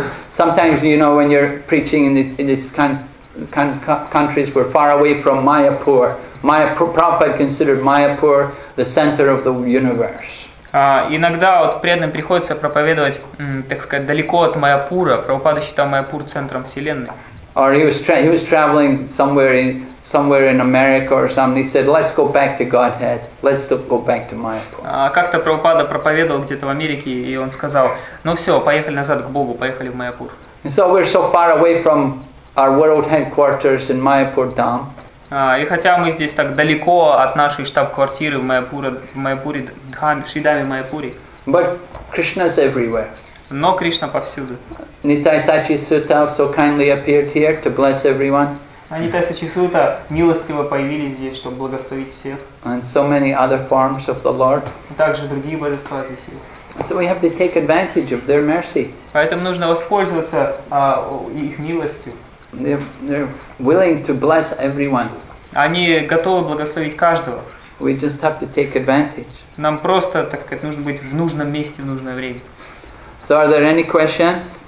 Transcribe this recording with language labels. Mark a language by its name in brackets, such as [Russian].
[English] Sometimes you know when you're preaching in this countries we're far away from Mayapur. Mayapur, Prabhupada considered Mayapur the center of the universe. [Russian] Иногда вот преданным приходится проповедовать, так сказать, далеко от Майяпура. Прабхупада считал Майяпур центром вселенной. [English] Or he was traveling somewhere in America or something. He said, "Let's go back to Godhead. Let's go back to Mayapur." [Russian] Как-то Прабхупада проповедовал где-то в Америке, и он сказал: "Ну все, поехали назад к Богу, поехали в Майяпур." [English] And so we're so far away from our world headquarters in Mayapur Dham. [Russian] И хотя мы здесь так далеко от нашей штаб-квартиры в Майяпуре, Шридаме Майяпуре. [English] But Krishna's everywhere. [Russian] Но Кришна повсюду. [English] Nitai Sachi Sutta so kindly appeared here to bless everyone. [Russian] Нитай Сачи Сута милостиво появились здесь, чтобы благословить всех. [English] And so many other forms of the Lord. [Russian] Также другие божества здесь есть. [English] So we have to take advantage of their mercy. [Russian] Поэтому нужно воспользоваться их милостью. [English] They're willing to bless everyone. [Russian] Они готовы благословить каждого. [English] We just have to take advantage. [Russian] Нам просто, так сказать, нужно быть в нужном месте в нужное время. [English] So are there any questions?